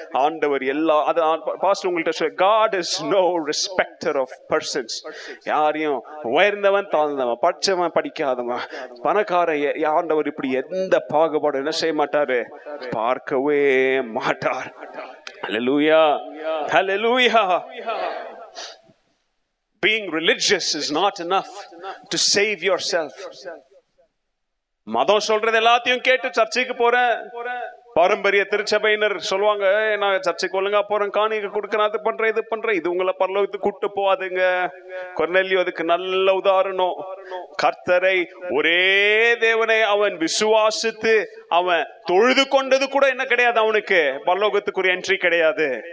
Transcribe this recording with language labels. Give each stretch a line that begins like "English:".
Tamil: ஆண்டவர் எல்லா அது பாஸ்டர் உங்கள்கிட்ட சொல்ல,
English: God is no respecter of persons.
Tamil: யாரையும் உயர்ந்தவன் தாழ்ந்தவன், படித்தவன் படிக்காதவன், பணக்காரன், ஆண்டவர் இப்படி எந்த பாகுபாடு என்ன செய்ய மாட்டாரு, பார்க்கவே மாட்டார். ஹல்லேலூயா, ஹல்லேலூயா.
English: Being religious is not enough to save yourself.
Tamil: மதம் சொல்றது எல்லாத்தையும் கேட்டு சர்ச்சைக்கு போறேன், பாரம்பரிய திருச்சபையினர் சொல்லுவாங்க, நான் சர்ச்சைக்கு ஒழுங்கா போறேன், காணிக்கு கொடுக்கறேன், அது பண்றேன், இது பண்றேன், இது உங்களை பரலோகத்துக்கு கூட்டு போவாதுங்க. கொர்நேலியோ அதுக்கு நல்ல உதாரணம். கர்த்தரை, ஒரே தேவனை அவன் விசுவாசித்து அவன் தொழுது கொண்டது கூட என்ன கிடையாது, அவனுக்கு பரலோகத்துக்குரிய என்ட்ரி கிடையாது.